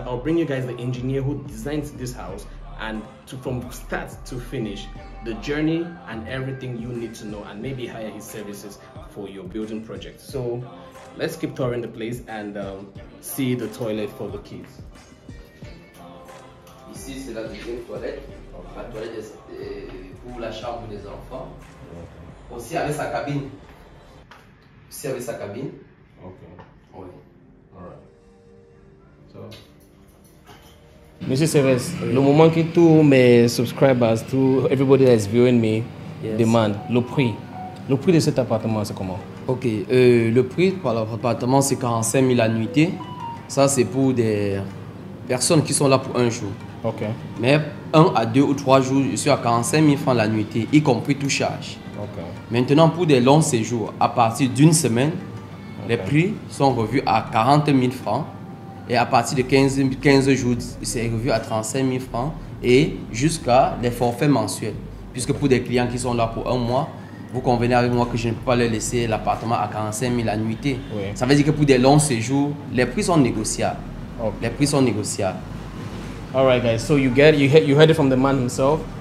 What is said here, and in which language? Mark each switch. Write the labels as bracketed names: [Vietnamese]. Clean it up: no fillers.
[English] I'll bring you guys the engineer who designed this house, and to from start to finish, the journey and everything you need to know, and maybe hire his services for your building project. So let's keep touring the place and see the toilet for the kids. [French] Ici, c'est la deuxième toilette. La toilette est pour la chambre des enfants. Okay. Aussi avec sa cabine. Aussi avec sa cabine. Ok. Oui. [English] Alright. So. [French] Monsieur Seves, le moment que tous mes subscribers, tout [English] everybody that is viewing me, yes, [French] demande le prix. Le prix de cet appartement, c'est comment? Ok. Le prix pour l'appartement, c'est 45 000 la nuitée. Ça, c'est pour des personnes qui sont là pour un jour. Ok. Mais un à deux ou trois jours, je suis à 45 000 francs la nuitée, y compris tout charge. Ok. Maintenant, pour des longs séjours, à partir d'une semaine, okay, les prix sont revus à 40 000 francs. Et à partir de 15 jours, c'est revu à 35 000 francs. Et jusqu'à des forfaits mensuels. Puisque pour des clients qui sont là pour un mois, vous convenez avec moi que je ne peux pas leur laisser l'appartement à 45 000 la nuitée. Oui. Ça veut dire que pour des longs séjours, les prix sont négociables. Okay. Les prix sont négociables. [English] All right, guys. So you heard it from the man himself.